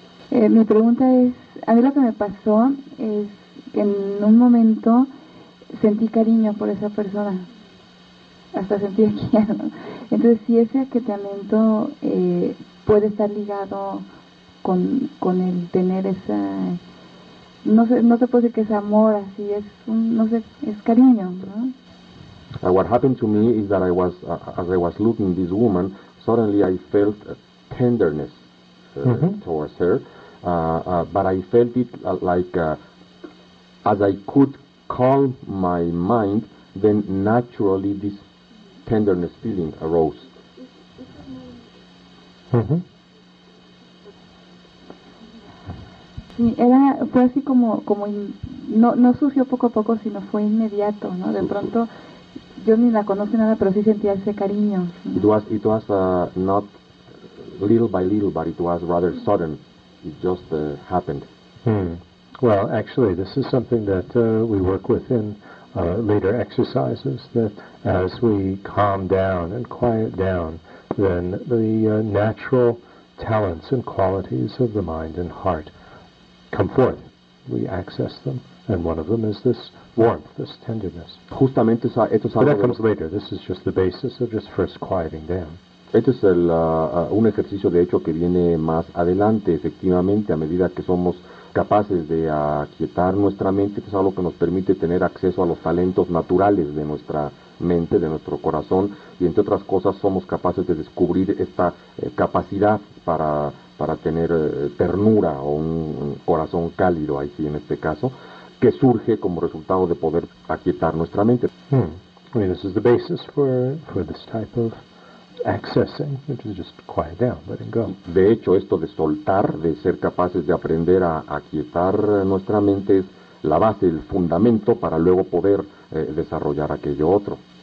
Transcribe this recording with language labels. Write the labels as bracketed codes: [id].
[es] mi pregunta es, a mí lo que me pasó es que en un momento sentí cariño por esa persona, hasta sentí aquí, ¿no? Entonces, si ese aquietamiento puede estar ligado con el tener esa, no se puede decir que es amor, así es, es cariño, ¿no? [en] What happened to me is that I was, as I was looking at this woman, suddenly I felt a tenderness towards her, but I felt it like, as I could calm my mind, then naturally this tenderness feeling arose. [es] Sí, fue así como no surgió poco a poco, sino fue inmediato, ¿no? De pronto, yo ni la conozco nada, pero sí sentía ese cariño, ¿no? [en] It was not little by little, but it was rather sudden. It just happened. Well, actually, this is something that we work with in later exercises, that as we calm down and quiet down, then the natural talents and qualities of the mind and heart come forth. We access them, and one of them is this warmth, this tenderness. [es] Justamente eso. [en] But that comes later. This is just the basis of just first quieting down. [es] Este es el un ejercicio de hecho que viene más adelante. Efectivamente, a medida que somos capaces de aquietar nuestra mente, es algo que nos permite tener acceso a los talentos naturales de nuestra mente, de nuestro corazón, y entre otras cosas, somos capaces de descubrir esta capacidad para tener ternura o un corazón cálido, ahí sí, en este caso, que surge como resultado de poder aquietar nuestra mente. [en] I mean, this is the basis for this type of accessing, which is just quiet down, letting go. [es] De hecho, esto de soltar, de ser capaces de aprender a aquietar nuestra mente, es la base, el fundamento para luego poder desarrollar aquello otro.